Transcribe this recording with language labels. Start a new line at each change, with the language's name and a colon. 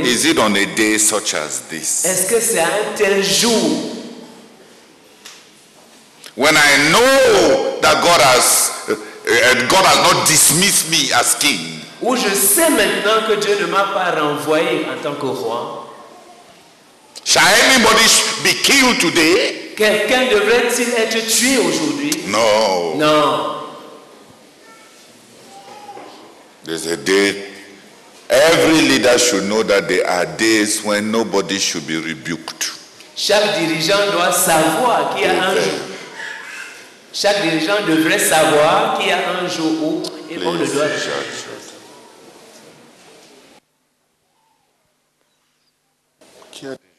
English: Is it on a day such as this?
French: Est-ce que c'est un tel jour?
English: When I know that God has not dismissed me as king.
French: Où je sais maintenant que Dieu ne m'a pas renvoyé en tant que roi.
English: Shall anybody be killed today?
French: Quelqu'un devrait-il être tué aujourd'hui?
English: No. No. There's a day. Every leader should know that there are days when nobody should be rebuked.
French: Chaque dirigeant doit savoir qu'il y a un jour. Chaque dirigeant devrait savoir qu'il y a un jour où on ne doit pas.